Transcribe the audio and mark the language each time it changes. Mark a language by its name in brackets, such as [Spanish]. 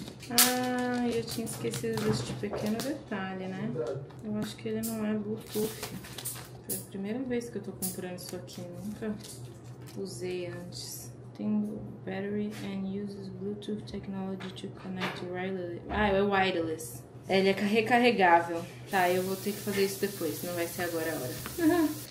[Portuguese] Ah, eu tinha esquecido deste pequeno detalhe, né? Eu acho que ele não é Bluetooth. Foi a primeira vez que eu tô comprando isso aqui. Nunca usei antes. [English] Tem battery and uses Bluetooth technology to connect wireless. [Portuguese] Ah, é wireless. Ele é recarregável. Tá, eu vou ter que fazer isso depois. Não vai ser agora a hora.